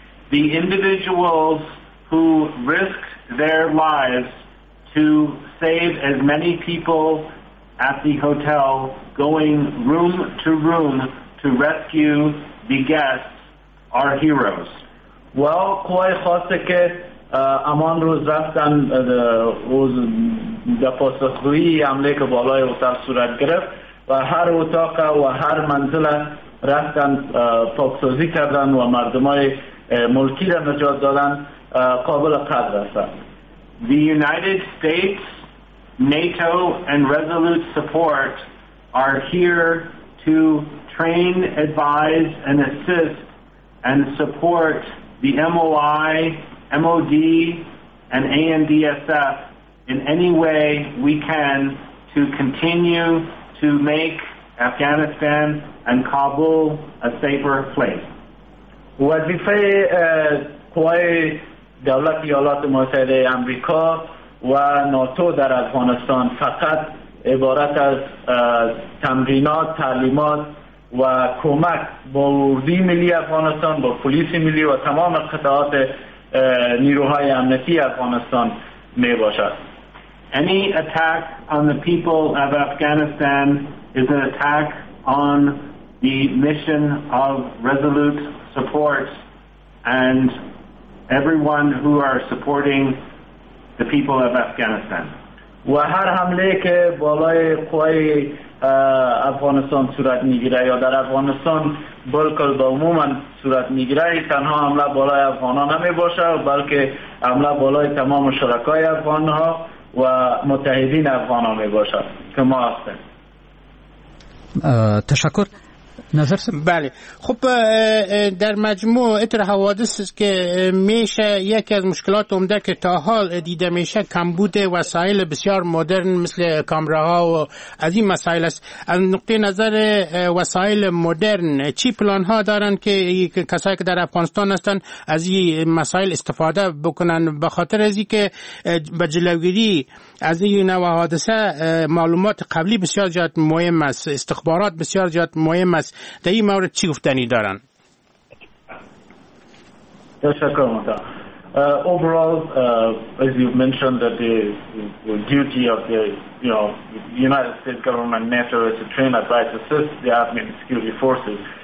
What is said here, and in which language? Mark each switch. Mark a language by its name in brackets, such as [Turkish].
[English] The individuals who risked their lives to save as many people at the hotel, going room to rescue the guests, are heroes. Well, quite [Persian] خواسته که امان روز رفتن روز دپاسخگویی عمله که بالای اتاق صورت گرفت و هر اتاق و هر منزل رفتن پاکسازی کردن و مردمای ملکی را نجات دادن قابل قدر هستن. [English] The United States, NATO and Resolute Support are here to train, advise, and assist and support the MOI, MOD, and ANDSF in any way we can to continue to make Afghanistan and Kabul a safer place. [Persian] وظیفه قوای دولت ایالات متحده آمریکا و ناتو در افغانستان فقط عبارت از تمرینات، تعلیمات و کمک با اردوی ملی افغانستان، با پلیس ملی و تمام قطعات نیروهای امنیتی افغانستان می باشد. [English] Any attack on the people of Afghanistan is an attack on the mission of Resolute Support and everyone who are supporting the people of Afghanistan. [Persian] و هر حمله که بالای قوای افغانستان صورت میگیره یا در افغانستان بلکل با عموما صورت میگیره تنها حمله بالای افغان ها نمی باشه بلکه حمله بالای تمام شرکای افغان ها و متحدین افغان ها می باشه که ما هستیم. تشکر. نظر سم؟ بله. خب در مجموع اتر حوادث که میشه یکی از مشکلات عمده که تا حال دیده میشه کمبود وسایل بسیار مدرن مثل کامراها و از این مسائل است. از نقطه نظر وسایل مدرن چی پلان ها دارن که کسایی که در افغانستان هستن از این مسائل استفاده بکنن به خاطر از این که به جلوگیری از این نوع حادثه معلومات قبلی بسیار زیاد مهم است، استخبارات بسیار زیاد مهم است. در این مورد چی گفتنی دارن؟ تشکر مطا. [English] Overall, as you mentioned, that the duty of the, you know, United States government NATO is to train, advise, assist the Afghan security forces.